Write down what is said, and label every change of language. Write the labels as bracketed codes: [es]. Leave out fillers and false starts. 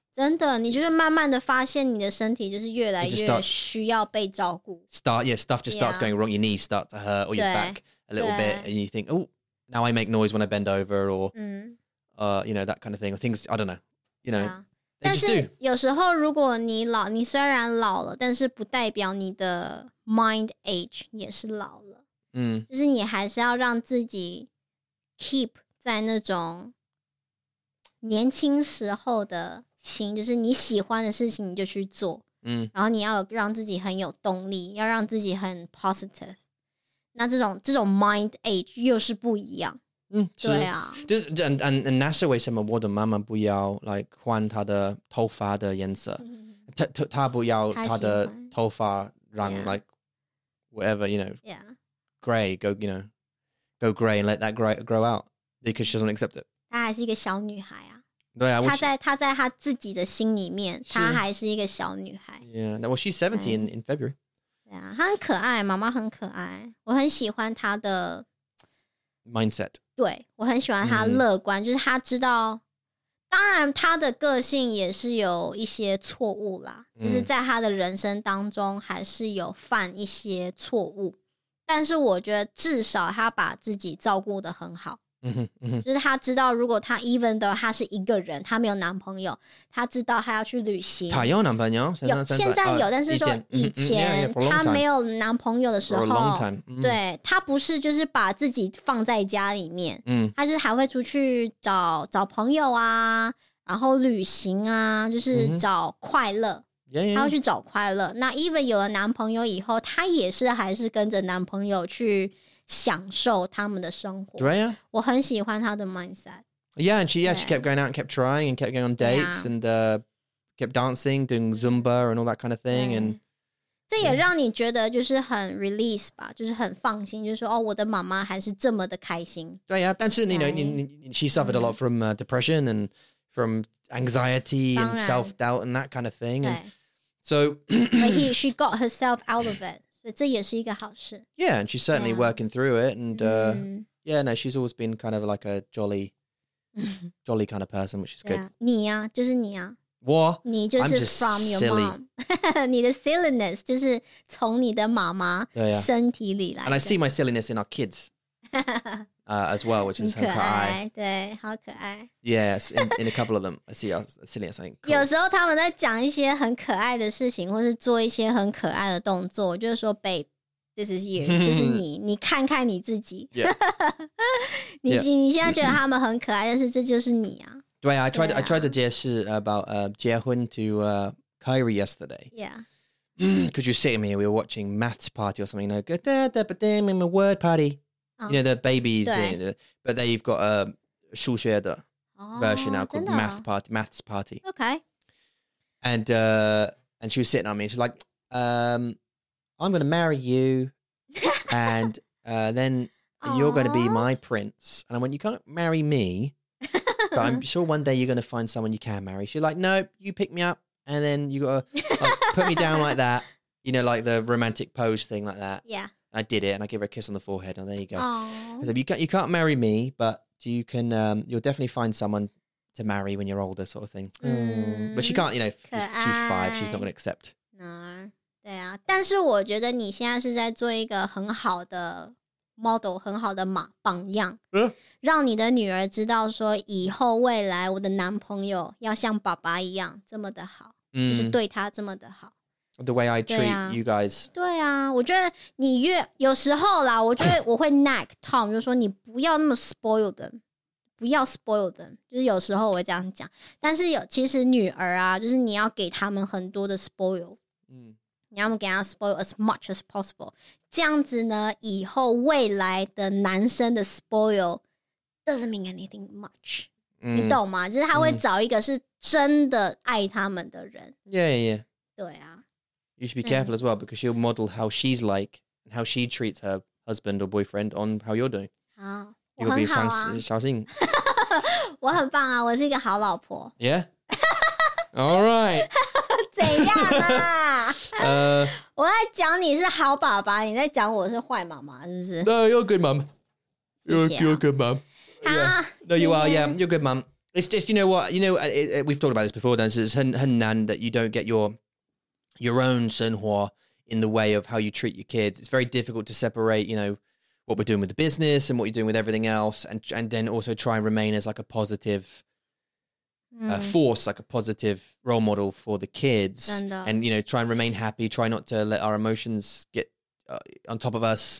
[zh] 真的,你就是慢慢的发现你的身体就是越来越需要被照顾。 [en] Stuff just starts going wrong. Your knees start to hurt or your back a little bit. And you think, oh, now I make noise when I bend over or, you know, that kind of thing. Or things, I don't know, you know. Yeah. [zh] 但是有时候如果你老，你虽然老了，但是不代表你的 mind age 也是老了。就是你还是要让自己 keep 在那种年轻时候的心，就是你喜欢的事情你就去做，然后你要让自己很有动力，要让自己很 positive。那这种 mind age 又是不一样，对啊。就 and 那是为什么我的妈妈不要 like 换她的头发的颜色？她不要她的头发让 [en] like whatever you know gray go you know go gray and let that gray grow out because she doesn't accept it。 [zh] 她还是一个小女孩啊。对啊，她在她自己的心里面，她还是一个小女孩。 [en] Yeah, well, she's 17 in February. [zh] 她很可爱，妈妈很可爱，我很喜欢她的 [en] mindset。 [zh] 对，我很喜欢她乐观，就是她知道，当然她的个性也是有一些错误啦，就是在她的人生当中还是有犯一些错误，但是我觉得至少她把自己照顾得很好，就是她知道如果她 [en] even though [zh] 她是一个人，她没有男朋友，她知道她要去旅行，她有男朋友，现在有但是说以前她没有男朋友的时候 对，她不是就是把自己放在家里面，她就是还会出去找朋友啊，然后旅行啊，就是找快乐，她要去找快乐，那 even 有了男朋友以后，她也是还是跟着男朋友去享受他们的生活。对呀，我很喜欢他的 mindset。 [en] Yeah, and she kept going out and kept trying and kept going on dates and kept dancing, doing Zumba and all that kind of thing. And [zh] 这也让你觉得就是很 release 吧，就是很放心，就是说哦，我的妈妈还是这么的开心。对呀，但是你 [en] know, she suffered a lot from depression and from anxiety and self doubt and that kind of thing. And so, but she got herself out of it. [zh] 这也是一个好事。 [en] Yeah, and she's certainly working through it. And yeah, no, she's always been kind of like a jolly, jolly kind of person, which is good. [zh] 你啊，就是你啊。我？你就是 [en] from your mom. [zh] 你的 silliness 就是从你的妈妈身体里来的。 [en] And I see my silliness in our kids as well, which is [zh] 很可爱。对，好可爱。 [en] Yes, in a couple of them, I see our silliness. I think, cool. [zh] 有时候他们在讲一些很可爱的事情，或是做一些很可爱的动作，我就是说 ， [en] Babe, this is you, [zh] 这是你，你看看你自己。 [en] Yeah. [zh] 你现在觉得他们很可爱，但是这就是你啊。 [en] 对啊 ，I tried to 解释 about 结婚 to Kyrie yesterday. Yeah. Because you're sitting here, we were watching Matt's party or something like that, but then in the word party, you know, the baby thing, but they've got a 数学的version now called Maths Party. Okay. And she was sitting on me. She's like, I'm going to marry you. And then you're going to be my prince. And I went, you can't marry me. But I'm sure one day you're going to find someone you can marry. She's like, nope, you pick me up. And then you got to put me down like that. You know, like the romantic pose thing like that. Yeah. I did it. And I gave her a kiss on the forehead. And there you go. I said, you can't marry me, but you can, you'll definitely find someone to marry when you're older, sort of thing. But she can't, you know, she's five, she's not going to accept. No. [zh] 对啊，但是我觉得你现在是在做一个很好的 model, 很好的榜样，让你的女儿知道说以后未来我的男朋友要像爸爸一样这么的好，就是对他这么的好。 [en] The way I treat you guys. [zh] 对啊，我觉得你越有时候啦，我觉得我会 nag Tom， 就说你不要那么 [en] spoil them， [zh] 不要 spoil them， 就是有时候我会这样讲。但是有其实女儿啊，就是你要给他们很多的 spoil， 你要给他 [en] spoil as much as possible， [zh] 这样子呢，以后未来的男生的 [en] spoil doesn't mean anything much。 [zh] 你懂吗？就是他会找一个是真的爱他们的人。 [en] Yeah. [zh] 对啊。 [en] You should be careful as well because she'll model how she's like and how she treats her husband or boyfriend on how you're doing. [zh] 好， [en] You'll [zh] 我很好啊。 [en] You'll be 小心。 [zh] 我很棒啊，我是一个好老婆。 [en] Yeah? All right. [zh] 怎样啊？我在讲你是好爸爸，你在讲我是坏妈妈，是不是？ [en] No, you're good mom. You're good mom. [zh] 好。 [en] No, you are, yeah, you're good mom. It's just, you know what, you know, we've talked about this before, Dan, so it's 很难 that you don't get your own 生活 in the way of how you treat your kids. It's very difficult to separate, you know, what we're doing with the business and what you're doing with everything else. And then also try and remain as like a positive force, like a positive role model for the kids. And, you know, try and remain happy. Try not to let our emotions get on top of us.